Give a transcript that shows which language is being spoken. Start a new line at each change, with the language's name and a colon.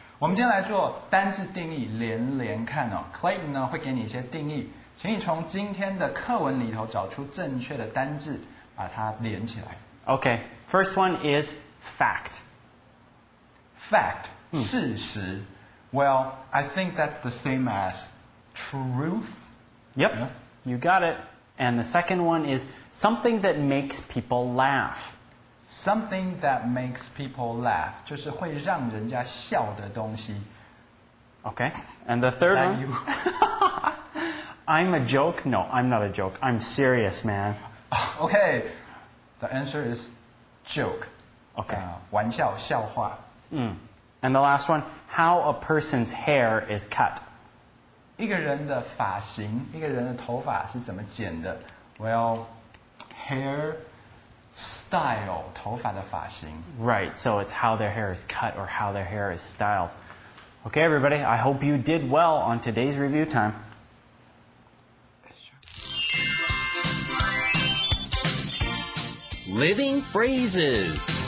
Chinese: 我们今天来做单字定义连连看哦 Clayton 呢会给你一些定义请你从今天的课文里头找出正确的单字把它连起来
English: OK First one is fact Fact、hmm. 事实 Well I think that's the same as truth Yep、yeah? You got it And the second one is something that makes people laugh Something that makes people laugh,
Chinese: 就是会让人家笑的东西。
English: Okay, and the third like one? You. I'm a joke? No, I'm not a joke. I'm serious, man. Okay, the answer is joke. Okay.
Chinese: 玩笑,笑话。
English: And the last one, how a person's hair is cut.
Chinese: 一个人的发型,一个人的头发是怎么剪的?
English: Well, hair... Style,
Chinese: 头发的发型
English: Right, so it's how their hair is cut or how their hair is styled. Okay, everybody, I hope you did well on today's review time. Living phrases.